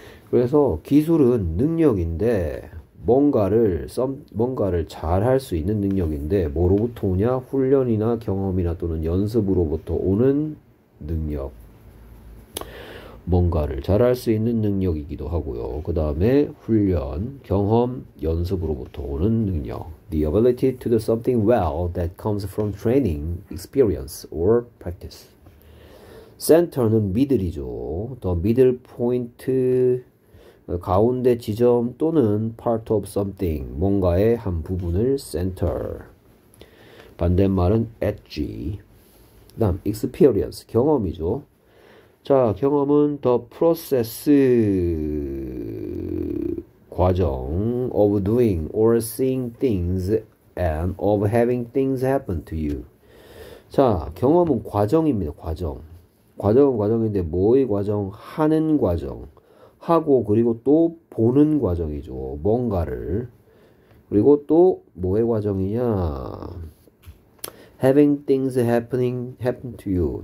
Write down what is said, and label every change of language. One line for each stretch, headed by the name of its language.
Korean: 그래서 기술은 능력인데 뭔가를 잘할 수 있는 능력인데 뭐로부터 오냐? 훈련이나 경험이나 또는 연습으로부터 오는 능력. 뭔가를 잘할 수 있는 능력이기도 하고요. 그 다음에 훈련, 경험, 연습으로부터 오는 능력.
English: The ability to do something well that comes from training, experience, or practice.
Korean: Center는 middle이죠.
English: The middle point,
Korean: 가운데 지점 또는
English: part of something,
Korean: 뭔가의 한 부분을 center. 반대말은 edge. 그다음 experience, 경험이죠. 자, 경험은
English: the process.
Korean: 과정
English: of doing or seeing things and of having things happen to you.
Korean: 자, 경험은 과정입니다. 과정. 과정은 과정인데 뭐의 과정? 하는 과정. 하고 그리고 또 보는 과정이죠. 뭔가를. 그리고 또 뭐의 과정이냐?
English: Having things happen to you.